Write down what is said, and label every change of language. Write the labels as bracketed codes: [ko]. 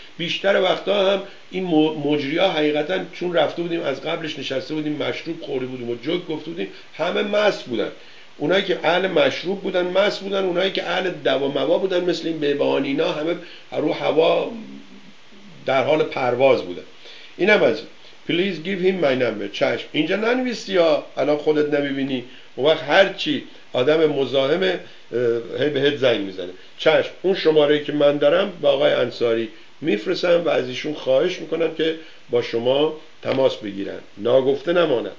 [fa] بیشتر وقتا هم این مجریا حقیقتا چون رفته بودیم از قبلش نشسته بودیم مشروب خوری بودیم و جوک گفت بودیم، همه مست بودن. اونایی که اهل مشروب بودن مست بودن، اونایی که اهل دوا موا بودن مثل این بهبهانی اینا همه رو هوا در حال پرواز بودن. اینم از [en] Please give him my number. [fa] چشم. اینجا ننویستی ها، الان خودت نمیبینی، اون وقت هرچی آدم مزاحم بهت زنگ میزنه. چشم، اون شماره که من دارم با آقای انصاری میفرستم و از ایشون خواهش میکنم که با شما تماس بگیرن، ناگفته نماند.